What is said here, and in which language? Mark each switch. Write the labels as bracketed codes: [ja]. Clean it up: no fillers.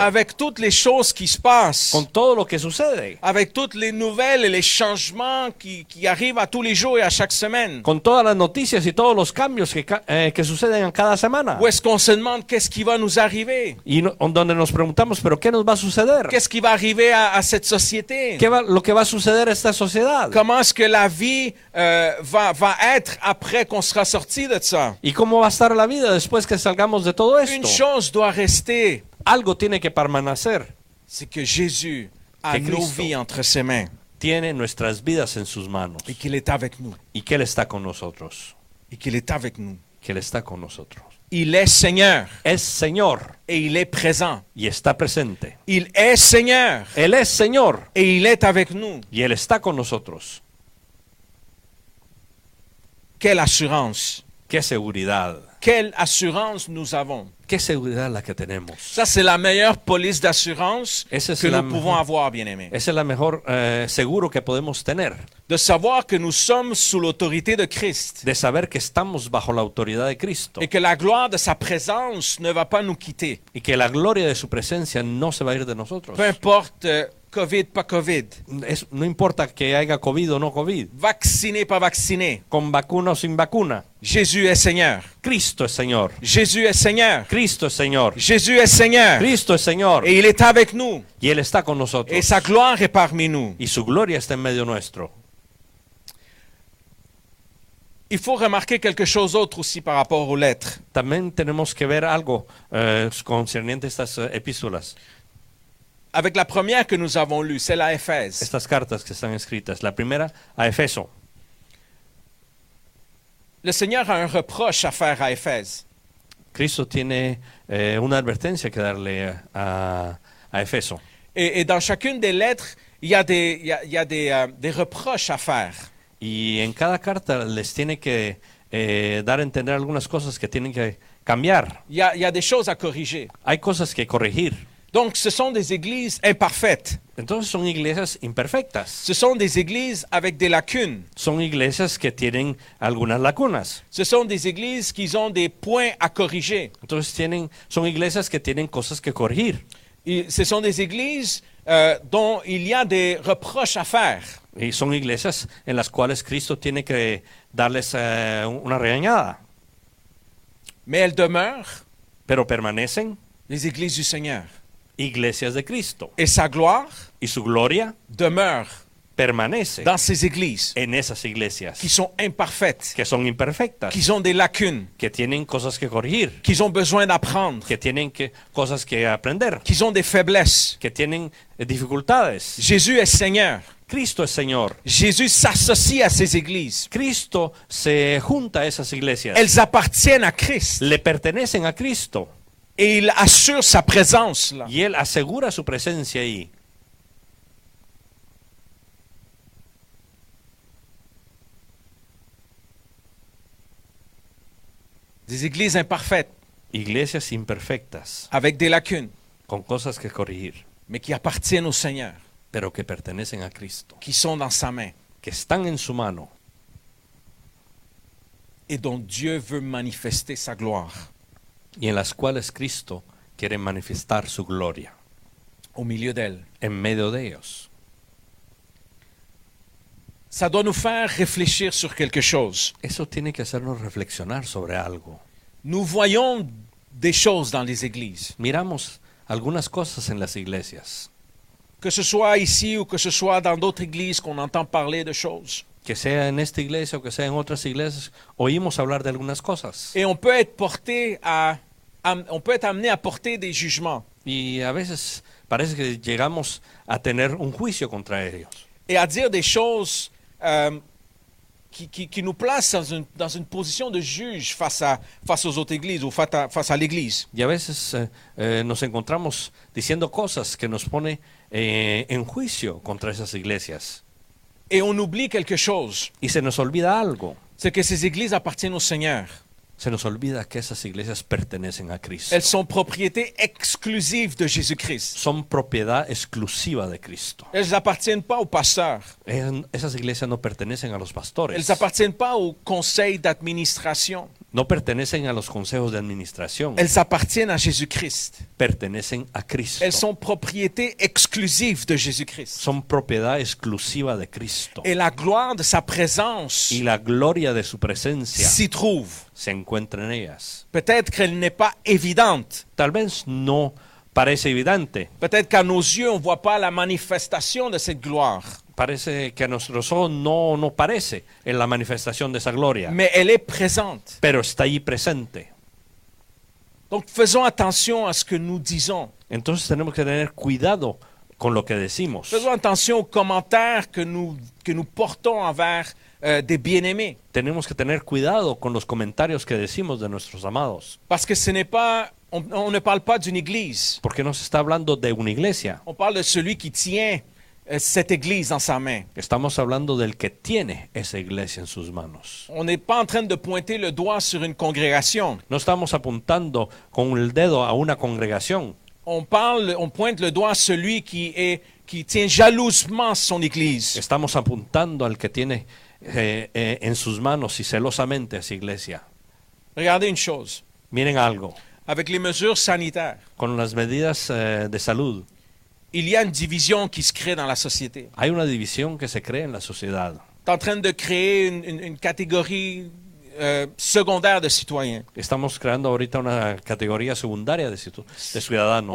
[fr] Avec toutes les choses qui se passent. [es] Con todo lo que sucede. [fr] Avec toutes les nouvelles et les changements qui arrivent à tous les jours et à chaque semaine. [es] Con todas las noticias y todos los cambios que suceden en cada semana. [fr] Où est-ce qu'on se demande qu'est-ce qui va nous arriver? [es] Y donde nos preguntamos, pero ¿qué nos va a suceder? [fr] Qu'est-ce qui va arriver à cette société? [es] ¿Qué va, lo que va a suceder a esta sociedad? [fr] Comment est-ce que la vie va être après qu'on sera sorti de ça? [es] ¿Y cómo va a estar la vida después que salgamos de todo esto? [fr] Une chose doit rester. [es] Algo tiene que permanecer. [fr] C'est que Jésus a nos vies entre ses mains. [es] tiene nuestras vidas en sus manos. [fr] Et qu'il est avec nous. [es] Y que Él está con nosotros. [fr] Et qu'il est avec nous. [es] Que Él está con nosotros. [fr] Il est Seigneur. [es] Es Señor. [fr] Et il est présent. [es] Y está presente. [fr] Il est Seigneur. [es] Él es Señor. [fr] Et il est avec nous. [es] Y Él está con nosotros. [fr] Quelle assurance. [es] Qué seguridad. [fr] Quelle assurance nous avons. [es] Qué seguridad la que tenemos. [fr] Ça, c'est la meilleure police d'assurance que nous pouvons avoir, bien-aimés. [es] Esa es la mejor seguro que podemos tener. [fr] De savoir que nous sommes sous l'autorité de Christ. [es] De saber que estamos bajo la autoridad de Cristo. [fr] Et que la gloire de sa présence ne va pas nous quitter. [es] Y que la gloria de su presencia no se va a ir de nosotros. [fr] Peu importe COVID, pas COVID. [es] Es, no importa que haya COVID o no COVID. [fr] Vacciné, pas vacciné. [es] Con vacuna o sin vacuna. [fr] Jésus est Seigneur. [es] Cristo es Señor. [fr] Jésus est Seigneur. [es] Cristo es Señor. [fr] Jésus est Seigneur. [es] Cristo es Señor. [fr] Et il est avec nous. [es] Y Él está con nosotros. [fr] Et sa gloire est parmi nous. [es] Y su gloria está en medio nuestro. [fr] Il faut remarquer quelque chose d'autre aussi par rapport aux lettres. [es] También tenemos que ver algo concerniente estas epístolas. [fr] Avec la première que nous avons lue, celle à Éphèse. [es] Estas cartas que están escritas, la primera a Efeso. [fr] Le Seigneur a un reproche à faire à Éphèse. [es] Cristo tiene una advertencia que darle a Éfeso. [fr] Et dans chacune des lettres, il y a des reproches à faire. [es] Y en cada carta les tiene que dar a entender algunas cosas que tienen que cambiar. [fr] Il y a des choses à corriger. [es] Hay cosas que corregir. [fr] Donc ce sont des églises imparfaites. [es] Entonces son iglesias imperfectas. [fr] Ce sont des églises avec des lacunes. [es] Son iglesias que tienen algunas lacunas. [fr] Ce sont des églises qui ont des points à corriger. [es] Entonces son iglesias que tienen cosas que corregir. [fr] Et ce sont des églises dont il y a des reproches à faire. [es] Y son iglesias en las cuales Cristo tiene que darles una regañada. [fr] Mais elles demeurent. [es] Pero permanecen. [fr] Les églises du Seigneur. [es] Iglesias de Cristo. [fr] Et sa gloire [es] y su gloria [fr] demeure [es] permanece [fr] dans ces églises [es] en esas iglesias [fr] qui sont imparfaites, [es] que son imperfectas, [fr] qui ont des lacunes, [es] que tienen cosas que corregir, [fr] qui ont besoin d'apprendre, [es] que tienen cosas que aprender, [fr] qui ont des faiblesses, [es] que tienen dificultades. [fr] Jésus est Seigneur. [es] Cristo es Señor. [fr] Jésus s'associe à ces églises. [es] Cristo se junta a esas iglesias. [fr] Elles appartiennent à Christ. [es] Le pertenecen a Cristo. [fr] Et il assure sa présence là. [es] Y él asegura su presencia ahí. [fr] Des églises imparfaites. [es] Iglesias imperfectas. [fr] Avec des lacunes. [es] Con cosas que corregir. [fr] Mais qui appartiennent au Seigneur. [es] Pero que pertenecen a Cristo. [fr] Qui sont dans sa main. [es] Que están en su mano. [fr] Et dont Dieu veut manifester sa gloire. [es] Y en las cuales Cristo quiere manifestar su gloria. [fr] Au milieu d'elle. [es] En medio de ellos. [fr] Ça doit nous faire réfléchir sur quelque chose. [es] Eso tiene que hacernos reflexionar sobre algo. [fr] Nous voyons des choses dans les églises. [es] Miramos algunas cosas en las iglesias. [fr] Que ce soit ici ou que ce soit dans d'autres églises qu'on entend parler de choses. [es] Que sea en esta iglesia o que sea en otras iglesias, oímos hablar de algunas cosas. [fr] Et on peut être porté on peut être amené à porter des jugements. [es] Y a veces parece que llegamos a tener un juicio contra ellos. [fr] Et à dire des choses qui nous placent dans une position de juge face aux autres églises ou face à l'église. [es] Y a veces nos encontramos diciendo cosas que nos pone en juicio contra esas iglesias. [fr] Et on oublie quelque chose. [es] Y se nos olvida algo. [fr] C'est que ces églises appartiennent au Seigneur. [es] Se nos olvida que esas iglesias pertenecen a Cristo. [fr] Elles sont propriété exclusive de Jésus-Christ. [es] Son propiedad exclusiva de Cristo. [fr] Elles n'appartiennent pas aux pasteurs. [es] Esas iglesias no pertenecen a los pastores. [fr] Elles n'appartiennent pas au conseil d'administration. [es] No pertenecen a los consejos de administración. [fr] Elles appartiennent à Jésus-Christ. [es] Pertenecen a Cristo. [fr] Elles sont propriété exclusive de Jésus-Christ. [es] Son propiedad exclusiva de Cristo. [fr] Et la gloire de sa présence. [es] Y la gloria de su presencia. [fr] S'y trouve. [es] Se encuentra en ellas. [fr] Peut-être qu'elle n'est pas évidente. [es] Tal vez no parece evidente. [fr] Peut-être qu'à nos yeux on voit pas la manifestation de cette gloire. [es] Parece que a nuestros ojos no parece en la manifestación de esa gloria. [fr] Mais elle est présente. [es] Pero está ahí presente. [fr] Donc faisons attention à ce que nous disons. [es] Entonces tenemos que tener cuidado con lo que decimos. [fr] Faisons attention aux commentaires que nous portons envers des bien-aimés. [es] Tenemos que tener cuidado con los comentarios que decimos de nuestros amados. [fr] Parce que ce n'est pas, on ne parle pas d'une église. [es] Porque no se está hablando de una iglesia. [fr] On parle de celui qui tient cette église en sa main. [es] Estamos hablando del que tiene esa iglesia en sus manos. [fr] On n'est pas en train de pointer le doigt sur une congrégation. [es] No estamos apuntando con el dedo a una congregación. [fr] On pointe le doigt à celui qui tient jalousement son église. [es] Estamos apuntando al que tiene en sus manos y celosamente a su iglesia. [fr] Regardez une chose. [es] Miren algo. [fr] Avec les mesures sanitaires. [es] Con las medidas de salud. [fr] Il y a une division qui se crée dans la société. [es] Hay una división que se crea en la sociedad. [fr] T'es en train de créer une catégorie secondaire de citoyens. [es] Estamos creando ahorita una categoría secundaria de ciudadanos.